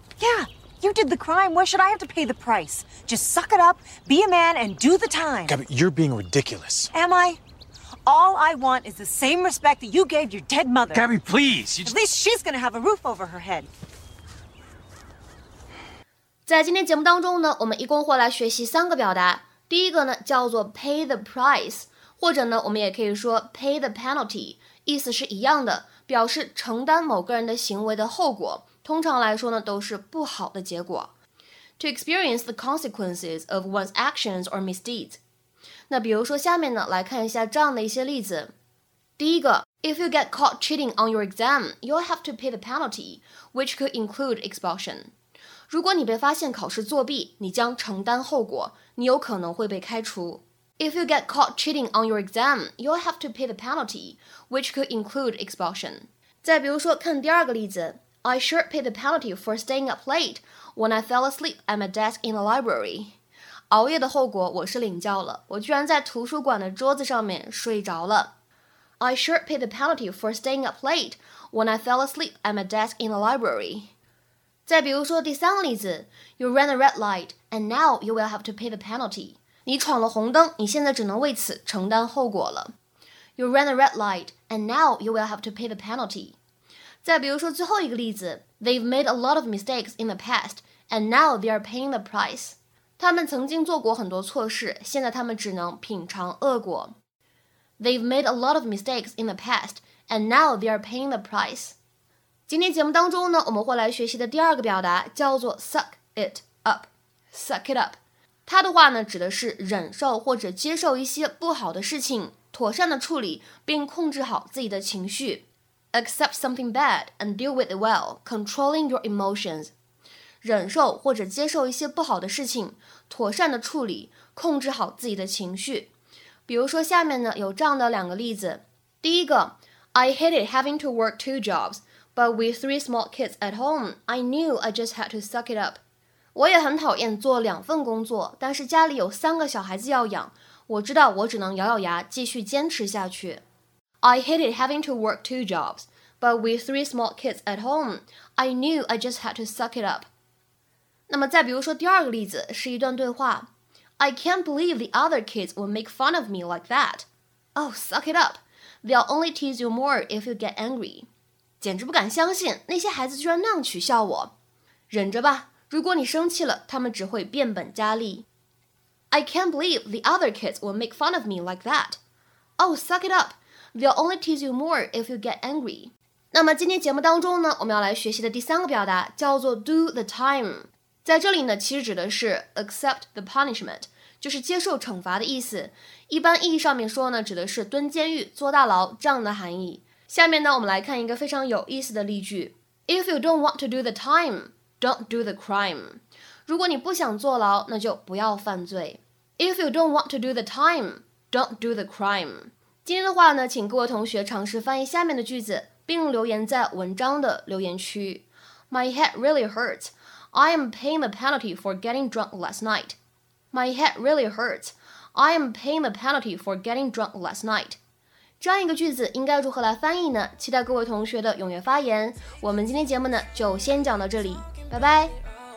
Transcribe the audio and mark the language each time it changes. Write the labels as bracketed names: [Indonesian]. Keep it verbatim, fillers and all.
[English] Yeah, you did the crime. Why should I have to pay the price? Just suck it up, be a man, and do the time. Gabby, you're being ridiculous. Am I? All I want is the same respect that you gave your dead mother. Gabby, please. At least she's going to have a roof over her head. [Chinese] 在今天节目当中呢，我们一共会来学习三个表达。第一个呢叫做 pay the price， 或者呢我们也可以说 pay the penalty， 意思是一样的，表示承担某个人的行为的后果，通常来说呢都是不好的结果。 [English] To experience the consequences of one's actions or misdeeds。 [Chinese] 那比如说下面呢来看一下这样的一些例子。第一个 [English] If you get caught cheating on your exam, you'll have to pay the penalty, which could include expulsion。 [Chinese] 如果你被发现考试作弊，你将承担后果，你有可能会被开除。 [English] If you get caught cheating on your exam, you'll have to pay the penalty, which could include expulsion. [Chinese] 再比如说，看第二个例子 [English] ，I should pay the penalty for staying up late when I fell asleep at my desk in the library. [Chinese] 熬夜的后果我是领教了，我居然在图书馆的桌子上面睡着了。 [English] I should pay the penalty for staying up late when I fell asleep at my desk in the library. [Chinese] 再比如说第三个例子 [English] You ran a red light and now you will have to pay the penalty. [Chinese] 你闯了红灯，你现在只能为此承担后果了。 [English] You ran a red light and now you will have to pay the penalty. [Chinese] 再比如说最后一个例子 [English] They've made a lot of mistakes in the past and now they are paying the price. [Chinese] 他们曾经做过很多错事，现在他们只能品尝恶果。 [English] They've made a lot of mistakes in the past and now they are paying the price. [Chinese] 今天节目当中呢，我们会来学习的第二个表达叫做 suck it up, suck it up。它的话呢，指的是忍受或者接受一些不好的事情，妥善的处理并控制好自己的情绪。 [English] Accept something bad and deal with it well, controlling your emotions。 [Chinese] 忍受或者接受一些不好的事情，妥善的处理，控制好自己的情绪。比如说下面呢，有这样的两个例子。第一个 [English] I hated having to work two jobs。But with three small kids at home, I knew I just had to suck it up. [Chinese] 我也很讨厌做两份工作，但是家里有三个小孩子要养，我知道我只能咬咬牙继续坚持下去。 [English] I hated having to work two jobs, but with three small kids at home, I knew I just had to suck it up. [Chinese] 那么再比如说第二个例子是一段对话。 [English] I can't believe the other kids will make fun of me like that. Oh, suck it up. They'll only tease you more if you get angry. [Chinese] 简直不敢相信，那些孩子居然那样取笑我。忍着吧，如果你生气了，他们只会变本加厉。 [English] I can't believe the other kids will make fun of me like that. Oh, suck it up. They'll only tease you more if you get angry. [Chinese] 那么今天节目当中呢，我们要来学习的第三个表达叫做 do the time。在这里呢，其实指的是 [English] accept the punishment， [Chinese] 就是接受惩罚的意思。一般意义上面说呢，指的是蹲监狱、坐大牢这样的含义。下面呢，我们来看一个非常有意思的例句 [English] ：If you don't want to do the time, don't do the crime。 [Chinese] 如果你不想坐牢，那就不要犯罪。 [English] If you don't want to do the time, don't do the crime。 [Chinese] 今天的话呢，请各位同学尝试翻译下面的句子，并留言在文章的留言区。 [English] My head really hurts. I am paying the penalty for getting drunk last night. My head really hurts. I am paying the penalty for getting drunk last night. [Chinese] 这样一个句子应该如何来翻译呢？期待各位同学的踊跃发言。我们今天节目呢就先讲到这里，拜拜。